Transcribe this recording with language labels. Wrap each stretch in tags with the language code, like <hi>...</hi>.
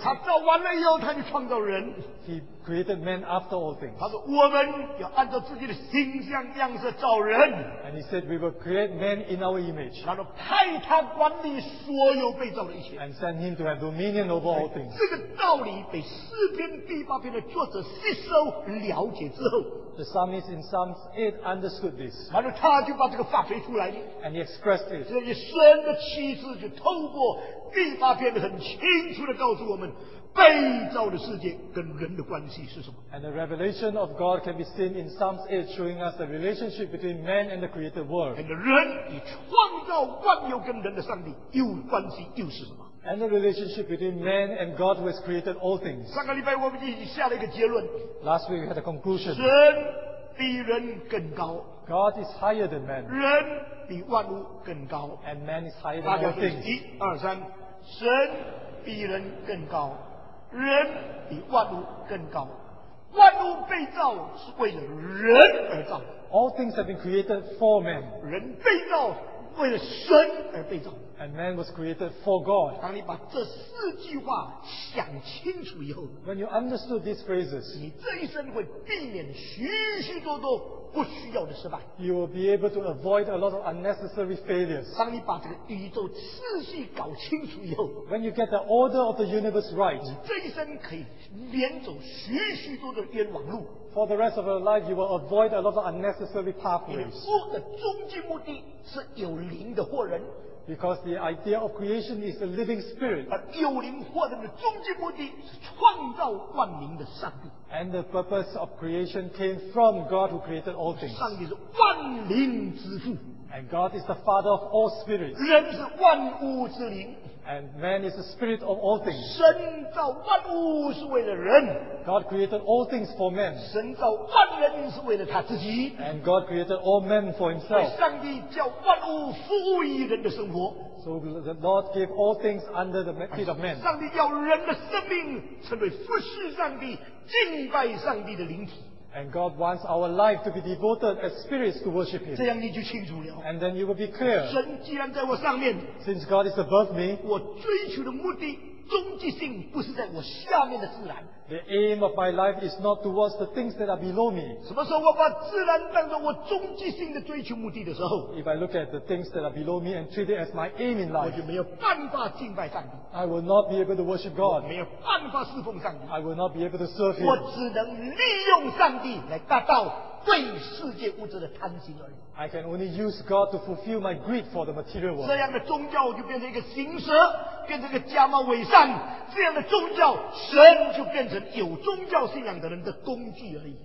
<zh>他造完了以后，他就创造人。</zh> <en>He created man after all things.</en> <zh>他说我们要按照自己的形象样式造人。</zh> <en>And he said we will create man in our image.</en> <zh>然后派他管理所有被造的一切。</zh> <en>And send him to have dominion over all things.</en> <zh>这个道理被诗篇第八篇的作者吸收了解之后。</zh> <en>The psalmist in Psalm 8 understood this.</en> <zh>然后他就把这个发挥出来。</zh> <en>And he expressed it.</en> <zh>所以神的启示就透过第八篇很清楚地告诉我们被造的世界跟人的关系是什么。</zh> <en>And the revelation of God can be seen in Psalm 8 showing us the relationship between man and the created world.</en> <zh>And 人与创造万有跟人的上帝又关系又是什么。</zh> <en>And the relationship between man and God who has created all things.</en> <zh>上个礼拜我们已经下了一个结论。</zh> <en>Last week we had a conclusion.</en> <zh>神比人更高。</zh> <en>God is higher than man.</en> <zh>人比万物更高。</zh> <en>And man is higher than all things.</en> <zh>一二三，神比人更高，人比万物更高。万物被造是为了人而造。</zh> <en>All things have been created for man.</en> <zh>人被造为了神而被造。</zh> <en>And man was created for God.</en> <zh>当你把这四句话想清楚以后，</zh> <en>When you understood these phrases,</en> <zh>你这一生会避免许许多多不需要的失败。</zh> <en>You will be able to avoid a lot of unnecessary failures.</en> <zh>当你把这个宇宙次序搞清楚以后，</zh> <en>When you get the order of the universe right,</en> <zh>你这一生可以免走许许多多冤枉路。</zh> <en>For the rest of your life, you will avoid a lot of unnecessary pathways.</en> <zh>因为我的终极目的是有灵的活人。</zh> <en>Because the idea of creation is a living spirit.</en> <zh>而有灵活人的终极目的是创造万民的上帝。</zh> <en>And the purpose of creation came from God who created all things.</en> <zh>上帝是万灵之父。</zh> <en>And God is the father of all spirits.</en> <zh>人是万物之灵。</zh> <en>And man is the spirit of all things.</en> <zh>神造万物是为了人。</zh> <en>God created all things for men.</en> <zh>神造万人是为了他自己。</zh> <en>And God created all men for himself.</en> <zh>上帝叫万物服务于人的生活。</zh> <en>So the Lord gave all things under the feet of men.</en> <zh>上帝叫人的生命成为服侍上帝、敬拜上帝的灵体。</zh> <en>And God wants our life to be devoted as spirits to worship Him.</en> <zh>这样你就清楚了。</zh> <en>And then you will be clear.</en> <zh>神既然在我上面，</zh> <en>since God is above me,</en> <zh>我追求的目的终极性不是在我下面的自然。</zh> <en>The aim of my life is not towards the things that are below me.</en> <zh>什么时候我把自然当作我终极性的追求目的的时候，</zh> <en>if I look at the things that are below me and treat it as my aim in life,</en> <zh>我就没有办法敬拜上帝。</zh> <en>I will not be able to worship God.</en> <zh>我没有办法侍奉上帝。</zh> <en>I will not be able to serve Him.</en> <zh>我只能利用上帝来达到对世界物质的贪心而已。</zh> <en>I can only use God to fulfill my greed for the material world.</en> <zh>这样的宗教就变成一个行蛇，变成一个假冒伪善。这样的宗教，神就变成有宗教信仰的人的工具而已。</zh>